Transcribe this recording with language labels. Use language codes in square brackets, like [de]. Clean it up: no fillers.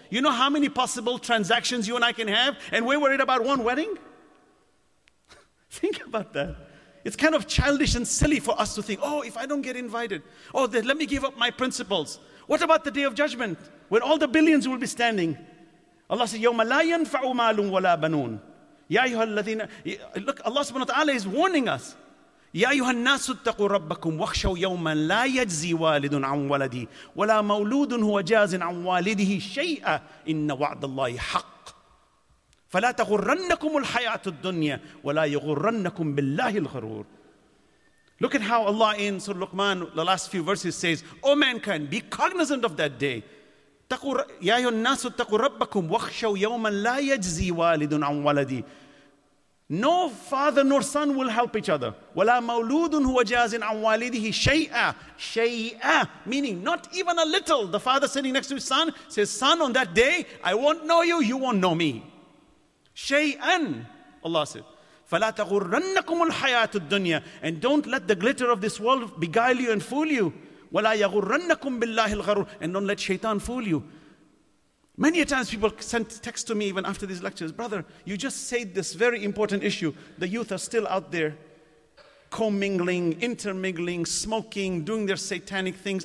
[en] You know how many possible transactions you and I can have, and we're worried about one wedding? Think about that. It's kind of childish and silly for us to think, oh, if I don't get invited, oh, then let me give up my principles. What about the Day of Judgment when all the billions will be standing? Allah says, [ar] يَوْمَ لَا يَنْفَعُ مَالٌ وَلَا بَنُونَ يَا أَيُّهَا الَّذِينَ. [en] Look, Allah subhanahu wa ta'ala is warning us. [ar] يَا أَيُّهَا النَّاسُ اتَّقُوا رَبَّكُمْ وَخْشَوْ يَوْمًا لَا يَجْزِي وَالِدٌ عَنْ وَلَدِي وَلَا مَوْلُودٌ هُوَ جَازٍ عَنْ وَالِدِهِ شَيْئًا إِنَّ وَعْدَ اللَّهِ حَقٌّ فَلَا تَغُرَّنَّكُمُ الْحَيَاةُ الدُّنْيَا وَلَا يَغُرَّنَّكُمْ بِاللَّهِ الْغُرُورِ. [en] Look at how Allah in Surah Luqman, the last few verses, says, O mankind, be cognizant of that day. [ar] يَا أَيُّهَا النَّاسُ اتَّقُوا رَبَّكُمْ وَخْشَوْا يَوْمًا لَا يَجْزِي وَالِدٌ عَنْ وَلَدِي. [en] No father nor son will help each other. [ar] وَلَا مَوْلُودٌ هُوَ جَازٍ عَنْ وَالِدِهِ شَيْئًا. [en] شَيْئًا, meaning not even a little. The father sitting next to his son says, son, on that day, I won't know you, you won't know me. شَيْئًا. Allah said, [ar] فَلَا تَغُرَّنَّكُمُ الْحَيَاةُ الدُّنْيَا. [en] And don't let the glitter of this world beguile you and fool you. [ar] وَلَا يَغُرَّنَّكُمْ بِاللَّهِ الْغَرُورُ. [en] And don't let shaitan fool you. Many a times people sent texts to me even after these lectures. Brother, you just said this very important issue. The youth are still out there commingling, intermingling, smoking, doing their satanic things.